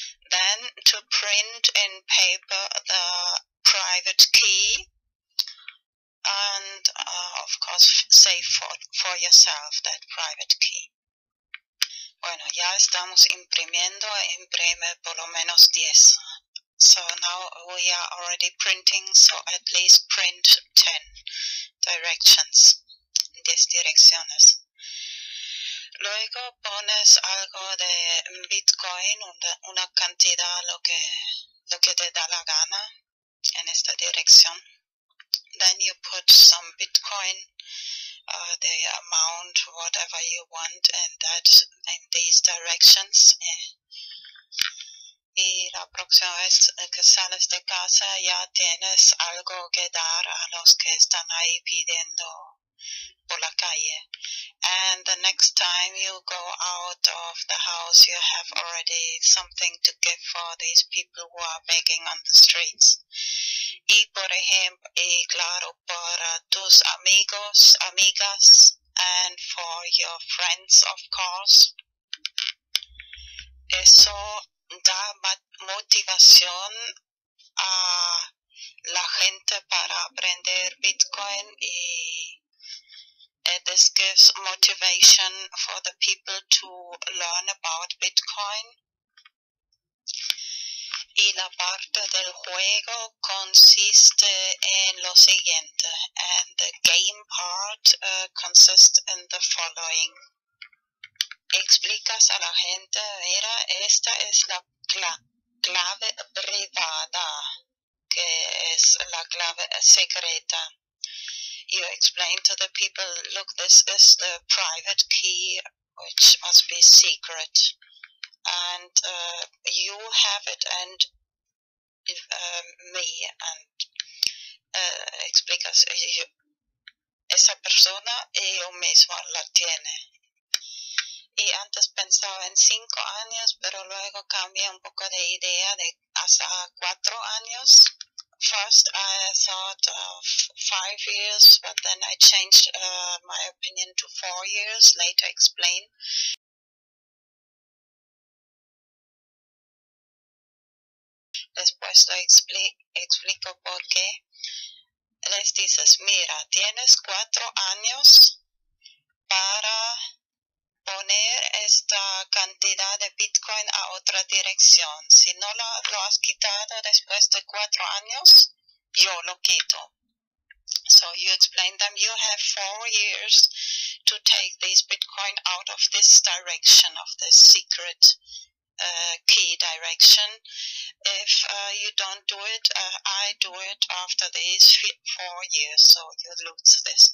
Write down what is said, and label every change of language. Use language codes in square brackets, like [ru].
[en] Then, to print in paper the private key and, of course, save for yourself that private key. [es] Bueno, ya estamos imprimiendo, imprime por lo menos 10. [en] So now we are already printing, so at least print 10 directions, 10 direcciones. [es] Luego pones algo de Bitcoin, una cantidad, lo que te da la gana en esta dirección. [en] Then you put some Bitcoin, the amount, whatever you want, and that in these directions. [es] Y la próxima vez que sales de casa ya tienes algo que dar a los que están ahí pidiendo por la calle. [en] And the next time you go out of the house, you have already something to give for these people who are begging on the streets. [es] Y por ejemplo, y claro, para tus amigos, amigas, [en] and for your friends, of course. [es] Eso da motivación a la gente para aprender Bitcoin y [en] this gives motivation for the people to learn about Bitcoin. [es] Y la parte del juego consiste en lo siguiente. [en] And the game part consists in the following. [es] Explicas a la gente, mira, esta es la clave privada, que es la clave secreta. [en] You explain to the people, look, this is the private key, which must be secret. And you have it, and me, and [es] explicas, esa persona, yo mismo la tiene. Y antes pensaba en 5 años, pero luego cambié un poco de idea de hasta 4 años. [en] First, I thought of 5 years, but then I changed my opinion to 4 years, later explain. Después lo explico por qué. [es] Les dices, mira, tienes 4 años para poner esta cantidad de Bitcoin a otra dirección. Si no lo has quitado después de 4 años, yo lo quito. [en] So you explain them, you have 4 years to take this Bitcoin out of this direction, of this secret key direction. If you don't do it, I do it after these 4 years, so you lose this.